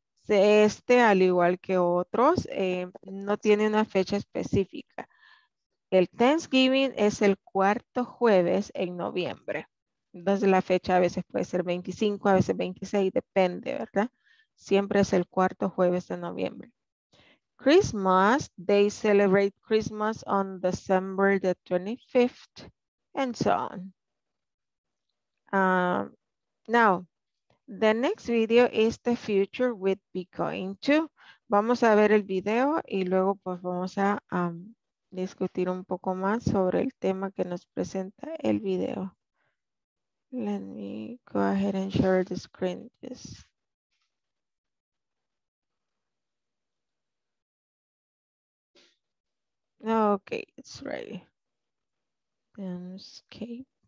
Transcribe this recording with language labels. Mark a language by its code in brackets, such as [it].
[es] Este, al igual que otros, no tiene una fecha específica. El Thanksgiving es el cuarto jueves en noviembre. Entonces la fecha a veces puede ser 25, a veces 26, depende, ¿verdad? Siempre es el cuarto jueves de noviembre. [en] Christmas, they celebrate Christmas on December the 25th, and so on. Now, the next video is the future with Bitcoin too. [es] Vamos a ver el video y luego pues vamos a discutir un poco más sobre el tema que nos presenta el video. [en] Let me go ahead and share the screen. Just... Okay, it's ready. Then escape.